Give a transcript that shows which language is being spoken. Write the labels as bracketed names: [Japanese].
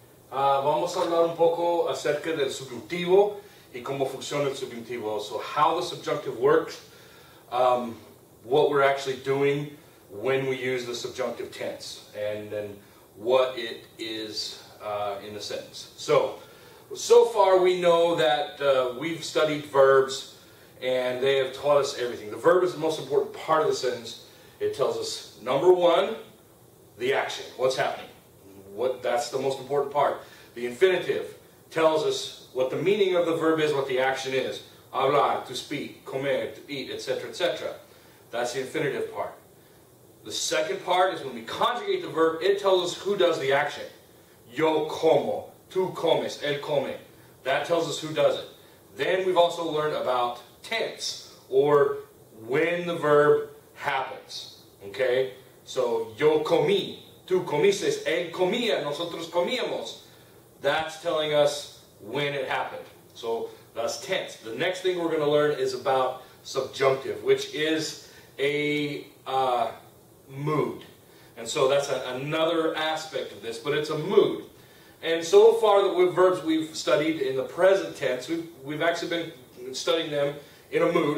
[Spanish] Vamos a hablar un poco acerca del subjuntivo y cómo funciona el subjuntivo. [English] So how the subjunctive works, what we're actually doing when we use the subjunctive tense, and then what it is in the sentence. So far we know that we've studied verbs, and they have taught us everything. The verb is the most important part of the sentence. It tells us, number one, the action, what's happening. That's the most important part. The infinitive tells us what the meaning of the verb is, what the action is. Hablar, to speak, comer, to eat, etc., etc. That's the infinitive part. The second part is when we conjugate the verb, it tells us who does the action. [Spanish] Yo como, tú comes, él come. [English] That tells us who does it. Then we've also learned about tense, or when the verb happens. Okay? [Spanish] So, yo comí, tú comiste, él comía, nosotros comíamos. [English] That's telling us when it happened. So, that's tense. The next thing we're going to learn is about subjunctive, which is a mood. And so, that's another aspect of this, but it's a mood. And so far, the verbs we've studied in the present tense, we've actually been studying them in a mood.